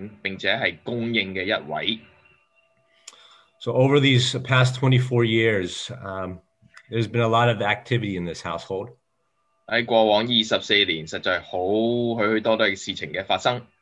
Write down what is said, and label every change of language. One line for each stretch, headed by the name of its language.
Cantonese: 一直嘅定睛仰望主，因为佢系带领并且系供应嘅一位。
English: So over these past 24 years, there's been a lot of activity in this household.
Cantonese: 在过往24年，实在好许许多多嘅事情嘅发生。